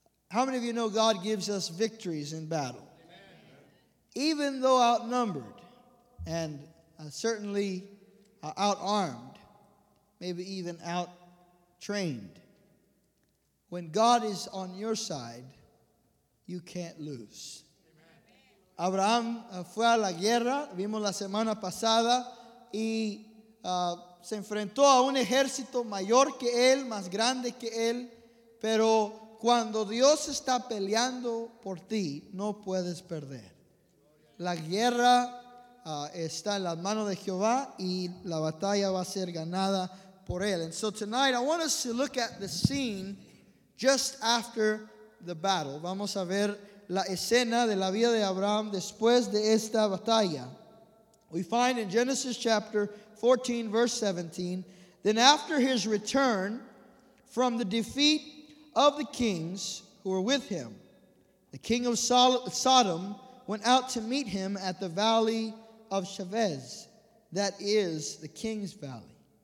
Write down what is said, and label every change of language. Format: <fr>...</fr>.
<en>How many of you know God gives us victories in battle? Amen. Even though outnumbered and certainly outarmed, maybe even out-trained, when God is on your side, you can't lose. Amen.</en> <es>Abraham fue a la guerra, vimos la semana pasada, y se enfrentó a un ejército mayor que él, más grande que él, pero cuando Dios está peleando por ti, no puedes perder. La guerra está en las manos de Jehová y la batalla va a ser ganada por él.</es> <en>And so tonight I want us to look at the scene just after the battle.</en> <es>Vamos a ver la escena de la vida de Abraham después de esta batalla.</es> <en>We find in Genesis chapter 14, verse 17, then after his return from the defeat of the kings who were with him, the king of Sodom went out to meet him at the valley of Chavez, that is the king's valley.</en>